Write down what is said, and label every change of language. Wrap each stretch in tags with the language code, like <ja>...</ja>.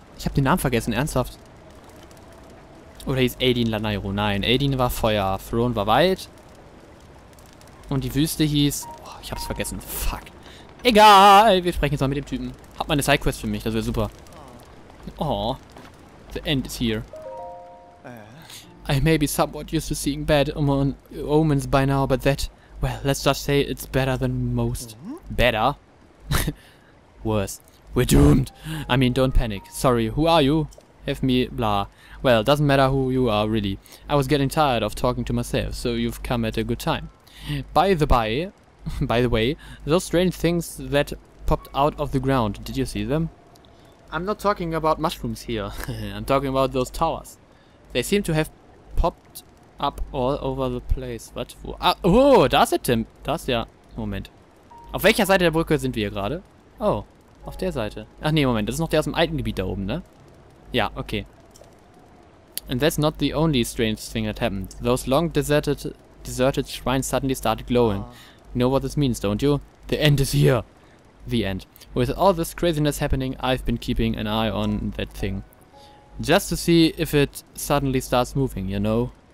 <de>Ich habe den Namen vergessen, ernsthaft. Oder hieß Aiden Lanairu? Nein. Aiden war Feuer. Throne war Wald. Und die Wüste hieß. Oh, ich hab's vergessen. Fuck. Egal. Wir sprechen jetzt mal mit dem Typen. Hat mal eine Sidequest für mich, das wäre super.</de> <en>Oh. The end is here. I may be somewhat used to seeing bad omens by now, but that, well, let's just say it's better than most. Better? Worse. We're doomed. I mean, don't panic. Sorry, who are you? Have me, blah. Well, doesn't matter who you are, really. I was getting tired of talking to myself, so you've come at a good time. By the way, those strange things that popped out of the ground, did you see them? I'm not talking about mushrooms here. I'm talking about those towers. They seem to have popped up all over the place. What?</en> <de>Wo? Ah, oh, da ist der Tim. Da ist der. Moment. Auf welcher Seite der Brücke sind wir gerade? Oh, auf der Seite. Ach nee, Moment. Das ist noch der aus dem alten Gebiet da oben, ne? Ja, okay.</de> <en>And that's not the only strange thing that happened. Those long deserted shrines suddenly started glowing. Aww. You know what this means, don't you? The end is here. The end. With all this craziness happening, I've been keeping an eye on that thing. Just to see if it suddenly starts moving, you know?</en>